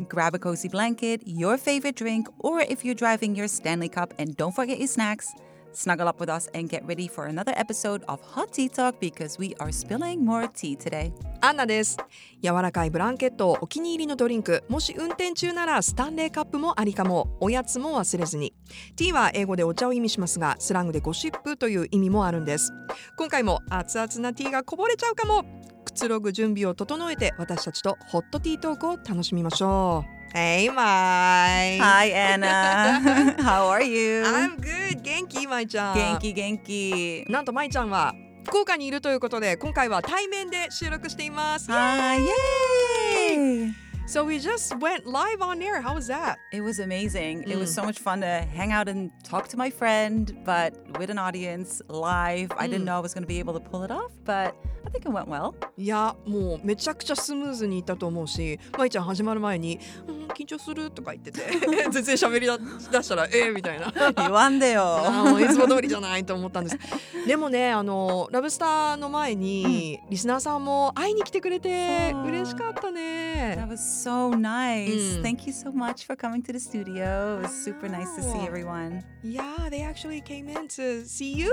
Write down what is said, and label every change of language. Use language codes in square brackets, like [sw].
[en] Grab a cozy blanket, your favorite drink, or if you're driving your Stanley Cup and don't forget your snacks, snuggle up with us and get ready for another episode of Hot Tea Talk because we are spilling more tea today. [ja] Anna です。柔らかいブランケット、お気に入りのドリンク、もし運転中ならスタンレーカップもありかも、おやつも忘れずに。ティーは英語でお茶を意味しますが、スラングでゴシップという意味もあるんです。今回も熱々なティーがこぼれちゃうかも。くつろぐ準備を整えて私たちとホットティートークを楽しみましょう。 [en] Hey, Mai. Hi, Anna. How are you? I'm good. [ja] 元気、Mai ちゃん。元気、元気。なんと Mai ちゃんは福岡にいるということで、今回は対面で収録しています。 [en] Yay! So we just went live on air. How was that? It was amazing. It was so much fun to hang out and talk to my friend, but with an audience live. I didn't know I was going to be able to pull it off, but I think it went well. [ja] いや、もうめちゃくちゃスムーズにいったと思うし、まいちゃん始まる前に、緊張するとか言ってて、全然喋り出したら、みたいな。言わんでよ。いつも通りじゃないと思ったんです。でもね、ラブスターの前にリスナーさんも会いに来てくれて嬉しかったね。 [en] So nice. Thank you so much for coming to the studio. It was super nice to see everyone. Yeah, they actually came in to see you.